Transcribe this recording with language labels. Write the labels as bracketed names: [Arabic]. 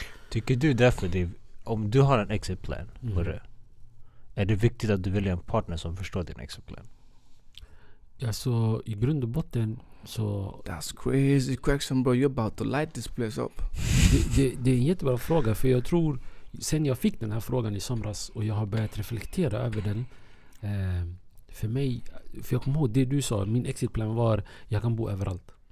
[Swedish] Tycker du därför det, om du har en exit plan, är det viktigt att du väljer en partner som förstår din exit plan? Alltså, i grund och botten så... [English] That's crazy question, bro. You're about to light this place up. [Swedish] Det är en jättebra fråga, för jag tror sen jag fick den här frågan i somras och jag har börjat reflektera över den. För mig, för jag kommer ihåg det du sa, min exitplan var jag kan bo överallt.